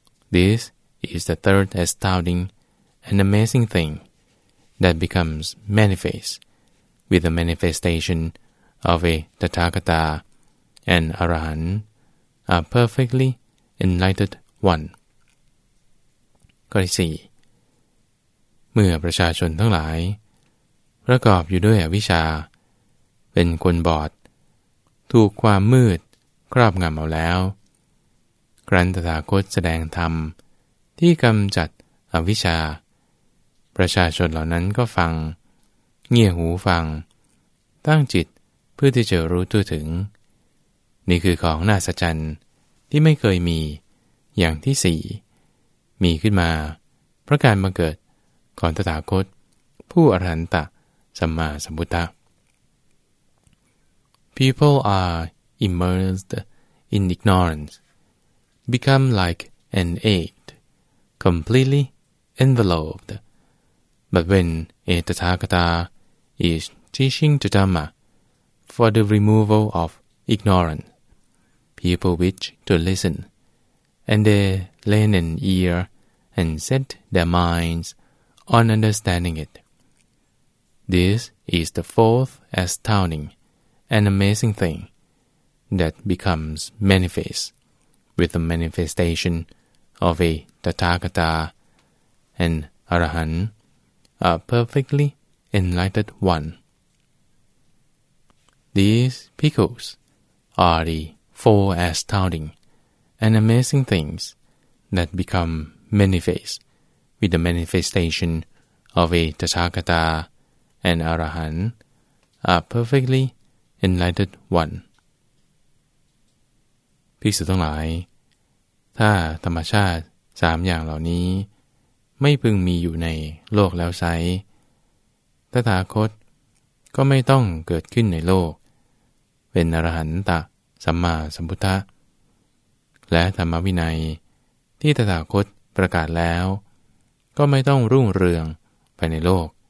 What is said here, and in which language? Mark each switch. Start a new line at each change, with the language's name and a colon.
English: This is the third astounding and amazing thing that becomes manifest with the manifestation of a Tathagata and Arahan, a perfectly enlightened one.
Thai: ข้อที่ 4 เมื่อประชาชนทั้งหลายประกอบอยู่ด้วยอวิชชาเป็นคนบอดถูกความมืดครอบงำเอาแล้ว ครั้นตถาคตแสดงธรรมที่กำจัดอวิชชาประชาชนเหล่านั้นก็ฟังเงี่ยหูฟังตั้งจิตเพื่อที่จะรู้ทั่วถึง นี่คือของน่าสัจจันที่ไม่เคยมีอย่างที่สี่มีขึ้นมาเพราะการมาเกิดของตถาคตผู้อรหันตสัมมาสัมพุทธะ
English: People are immersed in ignorance, become like an egg, completely enveloped. But when a Tathagata is teaching the Dhamma for the removal of ignorance, people wish to listen, and they lend an ear and set their minds on understanding it. This is the fourth astounding and amazing thing that becomes manifest with the manifestation of a Tathagata and Arahan, a perfectly enlightened one. These bhikkhus are the four astounding and amazing things that become manifest with the manifestation of a Tathagata and Arahan, a perfectly enlightened one.
Thai: ภิกษุทั้งหลายถ้าธรรมชาติสามอย่างเหล่านี้ไม่พึงมีอยู่ในโลกแล้วใช้ ตถาคตก็ไม่ต้องเกิดขึ้นในโลกเป็นอรหันตสัมมาสัมพุทธะและธรรมวินัยที่ตถาคตประกาศแล้วก็ไม่ต้องรุ่งเรืองไปในโลก